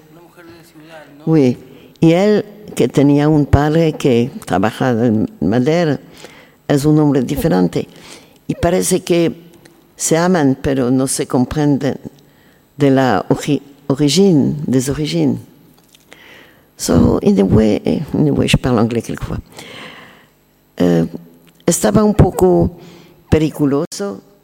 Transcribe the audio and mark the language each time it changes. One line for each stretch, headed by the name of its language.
Spanish: Una mujer de ciudad, ¿no? Sí. Y él, que tenía un padre que trabajaba en madera, es un hombre diferente. Y parece que se aman, pero no se comprenden de la origen, des origines.
French: So, in a way, je parle anglais quelquefois.
Spanish: Estaba un poco periculoso.